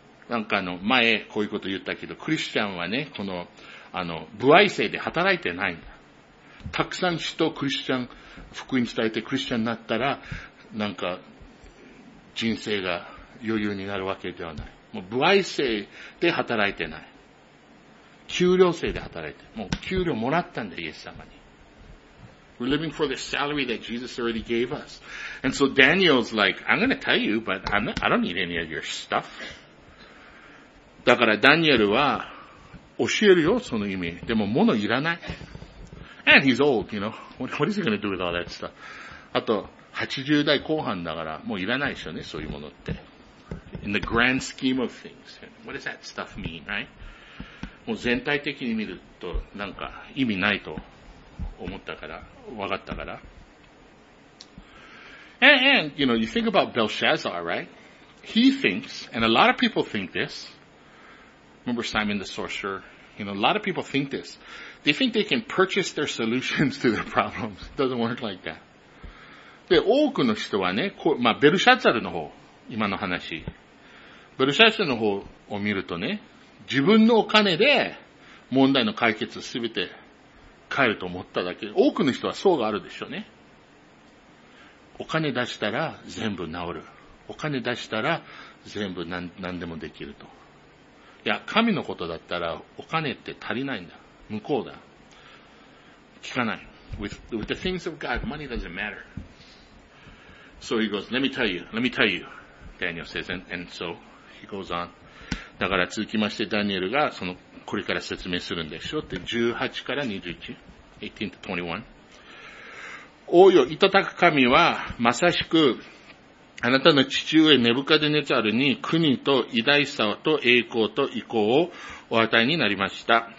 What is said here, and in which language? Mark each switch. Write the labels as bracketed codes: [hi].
[ja] なんかあの、前、こういうこと言ったけど、クリスチャンはね、この、あの、歩合制で働いてないんだ。たくさん人、クリスチャン、福音伝えてクリスチャンになったら、なんか、人生が余裕になるわけではない。もう、歩合制で働いてない。給料制で働いて、もう、給料もらったんだ、イエス様に。 [en] We're living for the salary that Jesus already gave us. And so Daniel's like, I'm going to tell you, but I don't need any of your stuff. [ja] だからダニエルは教えるよ、その意味。でも物いらない。 [en] And he's old, you know. What is he going to do with all that stuff? [ja] あと、80代後半だからもういらないでしょうね、そういうものって。 [en] In the grand scheme of things, what does that stuff mean, right? [ja] もう全体的に見るとなんか意味ないと。思ったから、分かったから。 [en] And, you know, you think about Belshazzar, right? He thinks, and a lot of people think this. Remember Simon the Sorcerer? You know, a lot of people think this. They think they can purchase their solutions to their problems. It doesn't work like that. [ja] で、多くの人はね、まあ、ベルシャッツァルの方、今の話。ベルシャッツァルの方を見るとね、自分のお金で問題の解決をすべて、帰ると思っただけ。多くの人はそうがあるでしょうね。お金出したら全部治る。お金出したら全部何でもできると。いや、神のことだったらお金って足りないんだ。無効だ。聞かない。 [en] With the things of God, money doesn't matter. So he goes, let me tell you, Daniel says, and so he goes on. [ja] だから続きましてダニエルがそのこれから説明するんでしょって、18から21。 18-21。王よ、いたたく神は、まさしく、あなたの父上、ネブカデネザルに、国と偉大さと栄光と意向をお与えになりました。